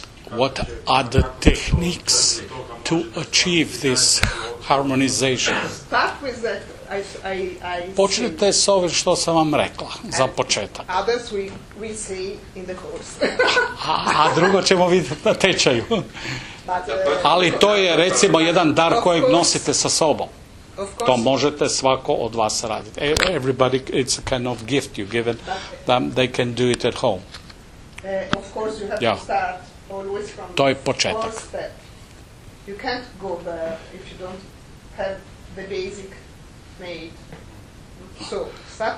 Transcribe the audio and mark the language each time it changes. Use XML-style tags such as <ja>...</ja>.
<en>What are the techniques to achieve this harmonization? Start with that.</en> <hr>Počnite s ovim što sam vam rekla za početak.</hr> <en>Others we see in the course.</en> <hr>A drugo ćemo vidjeti na tečaju. Ali to je recimo jedan dar kojeg nosite sa sobom. To možete svako od vas raditi.</hr> <en>Everybody, it's a kind of gift you've given them, they can do it at home. Of course you have to start always from</en> <hr>to je početak.</hr> <en>You can't go there if you don't have the basic made. So, start</en>